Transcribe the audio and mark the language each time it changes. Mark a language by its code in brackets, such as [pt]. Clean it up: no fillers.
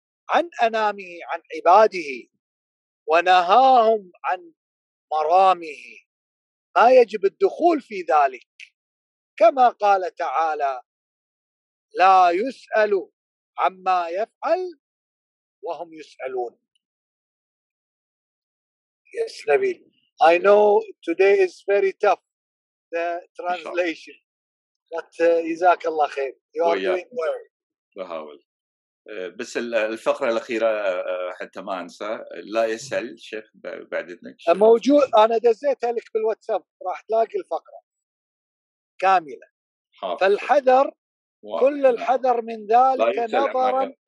[ar] عن أنامه عن عباده، ونهاهم عن مرامه، ما يجب الدخول في ذلك، كما قال تعالى: لا يسأل عما يفعل وهم يسألون. [en] Yes, Nabil. I know today is very tough, the translation. But Jazakallah khair. You are doing well. [ar] بحاول. بس الفقرة الأخيرة حتى ما أنسى، لا يسأل شيخ بعد إذنك. موجود، أنا دزيتها لك بالواتساب، راح تلاقي الفقرة كاملة. فالحذر، كل الحذر من ذلك نظرا.